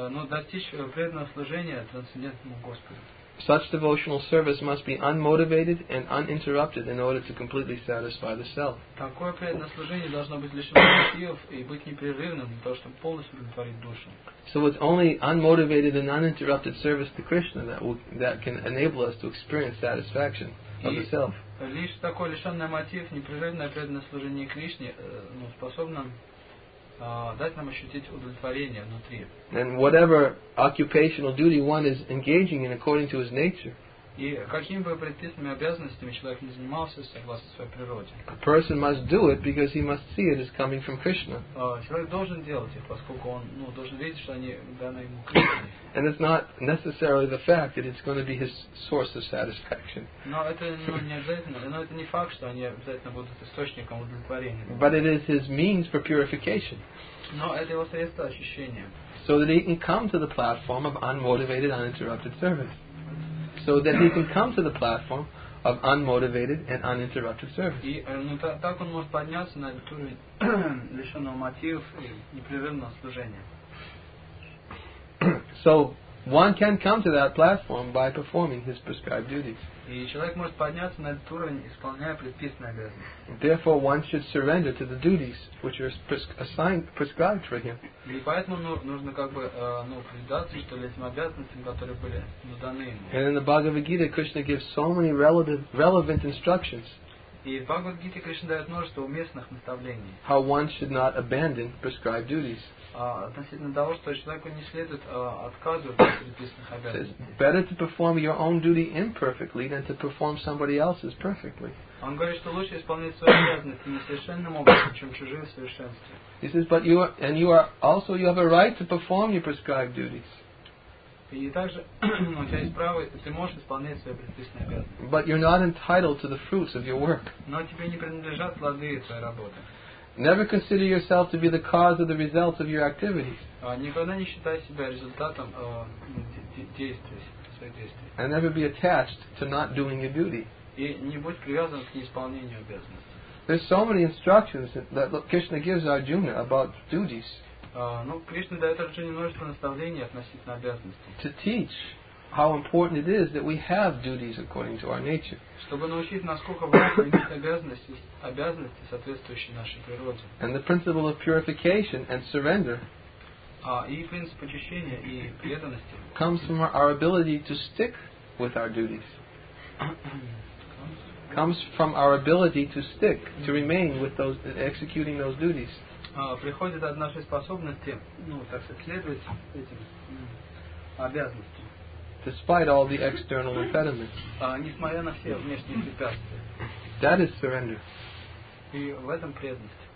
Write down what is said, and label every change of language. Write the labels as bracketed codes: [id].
[ru] Но достичь преданного служения трансцендентному Господу. [en] Such devotional service must be unmotivated and uninterrupted in order to completely satisfy the self. [ru] Такое преданное служение должно быть лишено мотивов и быть непрерывным для того, чтобы полностью удовлетворить душу. [en] So it's only unmotivated and uninterrupted service to Krishna that can enable us to experience satisfaction of the self. [ru] Лишь такое лишенное мотив, непрерывное преданное служение Кришне, способно дать нам ощутить удовлетворение внутри. [en] And whatever occupational duty one is engaging in according to his nature. [ru] И какими бы предписанными обязанностями человек не занимался, согласно своей природе. [en] A person must do it because he must see it as coming from Krishna. [ru] Человек должен делать их, поскольку он должен видеть, что они даны ему Кришне. [en] And it's not necessarily the fact that it's going to be his source of satisfaction. [ru] Но это не обязательно, но это не факт, что они обязательно будут источником удовлетворения. [en] But it is his means for purification. [ru] Но это его средство очищения. [en] So that he can come to the platform of unmotivated, uninterrupted service. So that he can come to the platform of unmotivated and uninterrupted service. [ru] И так он может подняться на эту лишенную мотивов и непрерывного служения. [en] So one can come to that platform by performing his prescribed duties. [ru] И человек может подняться на этот уровень, исполняя предписанные обязанности. [en] Therefore, one should surrender to the duties which are prescribed for him. [ru] И поэтому нужно предаться, что ли, этим обязанностям, которые были даны ему. [en] And in the Bhagavad Gita, Krishna gives so many relevant instructions. [ru] И в Бхагавад Гите Кришна дает множество уместных наставлений. [en] How one should not abandon prescribed duties. [ru] Относительно того, что человеку не следует отказывать от предписанных обязанностей. [en] It's better to perform your own duty imperfectly than to perform somebody else's perfectly. [ru] Он говорит, что лучше исполнять свои обязанности несовершенным образом, чем чужие в совершенстве. [en] He says, but you are, and you are also, you have a right to perform your prescribed duties. [ru] И также у тебя есть право, ты можешь исполнять свои предписанные обязанности. [en] But you're not entitled to the fruits of your work. [ru] Но тебе не принадлежат плоды твоей работы. [en] Never consider yourself to be the cause or the result of your activities. [ru] Никогда не считай себя результатом действий, своих действий. [en] And never be attached to not doing your duty. [ru] И не будь привязан к неисполнению обязанностей. [en] There's so many instructions that Krishna gives Arjuna about duties. [ru] Кришна дает Арджуне множество наставлений относительно обязанностей. [en] To teach how important it is that we have duties according to our nature. [ru] Чтобы научить, насколько важно иметь обязанности, соответствующие нашей природе. [en] And the principle of purification and surrender. [ru] И принцип очищения и преданности. [en] Comes from our ability to stick with our duties. Comes from our ability to stick, to remain with those, executing those duties. [ru] Приходит от нашей способности, следовать этим обязанностям. [en] Despite all the external impediments. [ru] Несмотря на все внешние препятствия. [en] That is surrender. [ru] И в этом преданность.